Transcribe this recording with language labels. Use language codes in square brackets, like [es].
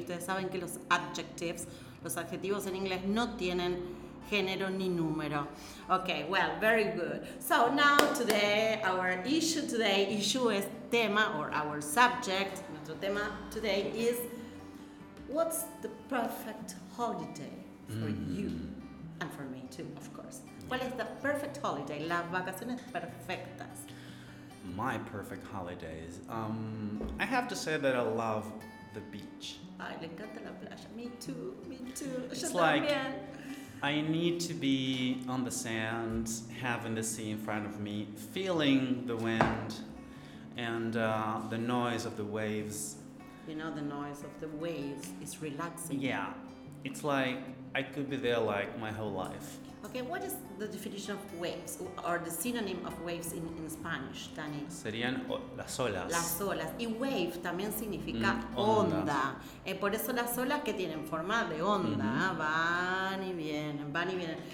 [es] Ustedes saben que los adjectives, los adjetivos en inglés no tienen género ni número. [en] Okay, well, very good. So now today, our issue today, or our subject, [es] nuestro tema [en] today is what's the perfect holiday for you? And for me too, of course. What is the perfect holiday? [es] Las vacaciones perfectas. [en] My perfect holidays. I have to say that I love the beach. [es] Ay, le encanta la playa. [en] Me too. It's like, I need to be on the sand, having the sea in front of me, feeling the wind and the noise of the waves. You know, the noise of the waves is relaxing. Yeah. It's like I could be there like my whole life. Okay, what is the definition of waves or the synonym of waves in Spanish, Dani? [es] Serían las olas. Las olas. Y wave también significa onda. Por eso las olas que tienen forma de onda van y vienen.